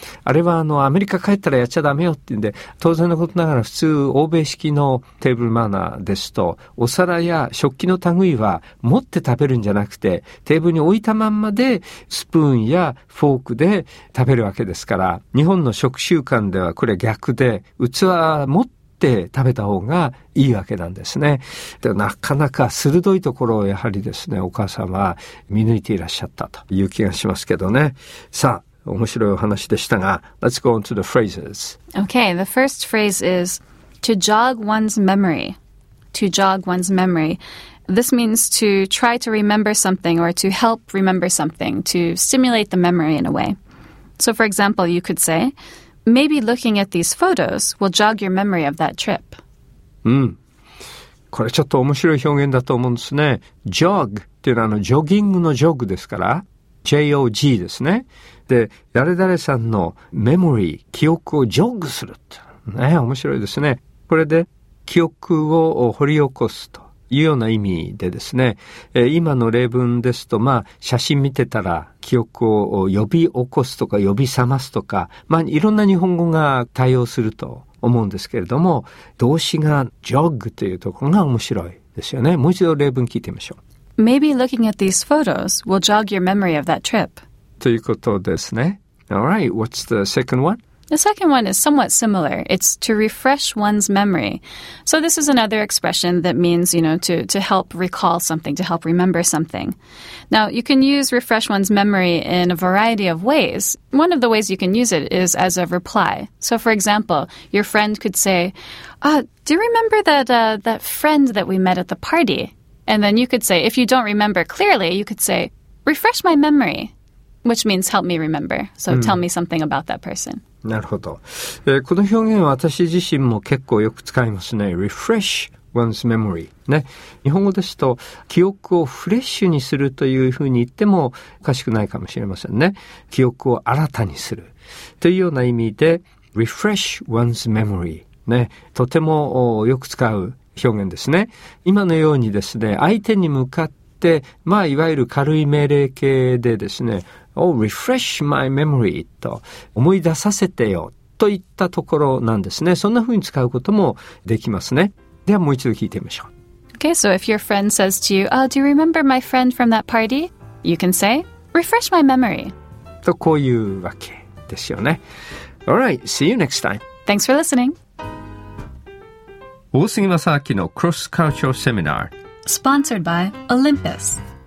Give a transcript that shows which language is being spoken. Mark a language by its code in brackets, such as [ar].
[ja] あれは、アメリカ帰ったらやっちゃダメよっていうんで、当然のことながら普通、欧米式のテーブルマナーですと、お皿や食器の類は持って食べるんじゃなくて、テーブルに置いたまんまで、スプーンやフォークで食べるわけですから、日本の食習慣ではこれ逆で、器は持って、って食べた方がいいわけなんですね。でなかなか鋭いところをやはりですね、お母さんは見抜いていらっしゃったという気がしますけどね。さあ、面白いお話でしたが、 [en] Let's go on to the phrases. Okay, the first phrase is to jog one's memory. To jog one's memory. This means to try to remember something or to help remember something, to stimulate the memory in a way. So, for example, you could say, maybe looking at these photos will jog your memory of that trip. Mm. [ja] これちょっと面白い表現だと思うんですね。Jog っていうのはジョギングのジョグですから、J-O-G ですね。で、誰々さんのメモリー、記憶をジョグするって。ね、面白いですね。これで記憶を掘り起こすというような意味でですね、今の例文ですと、まあ、写真見てたら記憶を呼び起こすとか呼び覚ますとか、まあ、いろんな日本語が対応すると思うんですけれども、動詞がジョグというところが面白いですよね。もう一度例文聞いてみましょう。 [en] Maybe looking at these photos will jog your memory of that trip. [ja] ということですね。 [en] All right, what's the second one? The second one is somewhat similar. It's to refresh one's memory. So this is another expression that means, you know, to help recall something, to help remember something. Now, you can use refresh one's memory in a variety of ways. One of the ways you can use it is as a reply. So, for example, your friend could say, do you remember that friend that we met at the party? And then you could say, if you don't remember clearly, you could say, refresh my memory, which means help me remember. So tell me something about that person. [ja] なるほど。この表現は私自身も結構よく使いますね。 [en] refresh one's memory。 ね。 [ja] 日本語ですと、記憶をフレッシュにするというふうに言ってもおかしくないかもしれませんね。記憶を新たにする。というような意味で、 [en] refresh one's memory。 [ja] ね。とてもよく使う表現ですね。今のようにですね、相手に向かって、まあ、いわゆる軽い命令形でですね、 [en] Oh, refresh my memory [ja] と思い出させてよといったところなんですね。そんな風に使うこともできますね。ではもう一度聞いてみましょう。 [en] Okay, so if your friend says to you, Oh, do you remember my friend from that party? You can say, refresh my memory. [ja] とこういうわけですよね。 [en] Alright, see you next time. Thanks for listening. [ja] 大杉正明のクロスカルチャーセミナー。 [en] Sponsored by Olympus.